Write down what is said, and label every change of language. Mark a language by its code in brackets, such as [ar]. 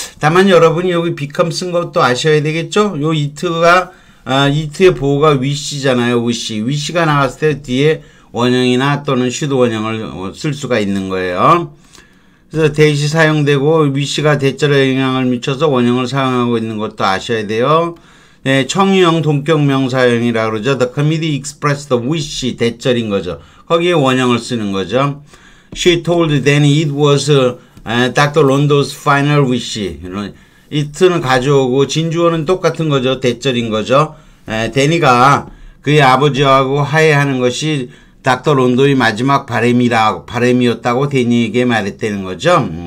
[ko] 다만 여러분이 여기 become 쓴 것도 아셔야 되겠죠? 요 it가, it의 보호가 wish잖아요. wish가 나왔을 때 뒤에 원형이나 또는 should 원형을 쓸 수가 있는 거예요. 그래서 대시 사용되고 wish가 대절에 영향을 미쳐서 원형을 사용하고 있는 것도 아셔야 돼요. 네, 청유형 동격명사형이라고 그러죠. [en] The committee expressed the wish, 대절인 거죠. [ko] 거기에 원형을 쓰는 거죠. [en] She told Danny it was Dr. Rondo's final wish. [ko] It는 가져오고 진주어는 똑같은 거죠. 대절인 거죠. Danny가 그의 아버지하고 화해하는 것이 닥터 론도의 마지막 바람이었다고 데니에게 말했다는 거죠.